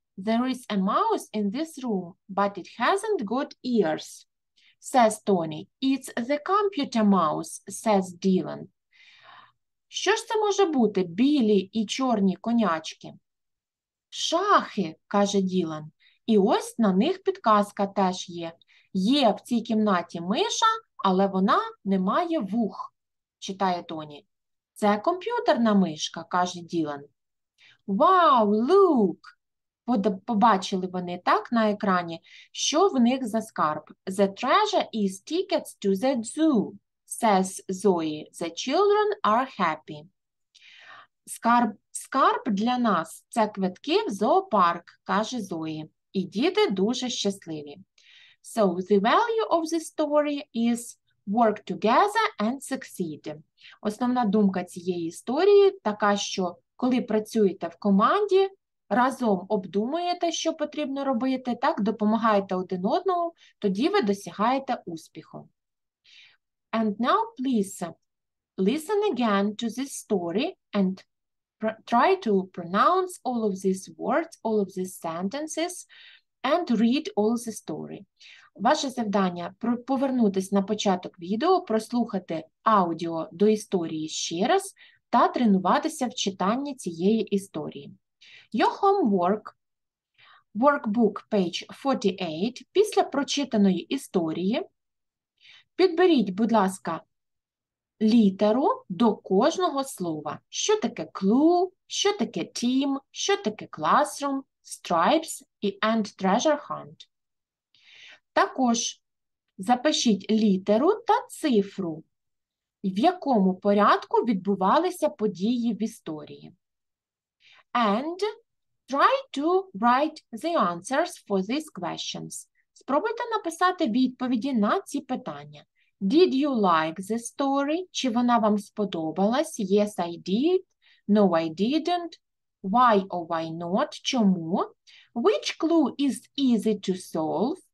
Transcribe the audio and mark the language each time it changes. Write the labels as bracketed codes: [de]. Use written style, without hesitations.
[en] There is a mouse in this room, but it hasn't got ears, says Tony. It's the computer mouse, says Dylan. [uk] Що ж це може бути, білі і чорні конячки? Шахи, каже Ділан. І ось на них підказка теж є. Є в цій кімнаті миша, але вона не має вух, читає Тоні. Це комп'ютерна мишка, каже Ділан. [en] Вау, лук! [uk] Побачили вони так на екрані, що в них за скарб. [en] The treasure is tickets to the zoo, says Zoe. The children are happy. [uk] Скарб для нас – це квитки в зоопарк, каже Зої. І діти дуже щасливі. [en] So, the value of the story is work together and succeed. [uk] Основна думка цієї історії така, що коли працюєте в команді, разом обдумуєте, що потрібно робити, так, допомагаєте один одному, тоді ви досягаєте успіху. [en] And now please listen again to this story and try to pronounce all of these words, all of these sentences and read all the story. [uk] Ваше завдання – повернутися на початок відео, прослухати аудіо до історії ще раз та тренуватися в читанні цієї історії. [en] Your homework, workbook page 48, [uk] після прочитаної історії, підберіть, будь ласка, літеру до кожного слова. Що таке clue, що таке team, що таке classroom, [en] stripes and treasure hunt. [uk] Також запишіть літеру та цифру, в якому порядку відбувалися події в історії. [en] And try to write the answers for these questions. [uk] Спробуйте написати відповіді на ці питання. [en] Did you like the story? [uk] Чи вона вам сподобалась? [en] Yes, I did. No, I didn't. Why or why not? [uk] Чому? [en] Which clue is easy to solve?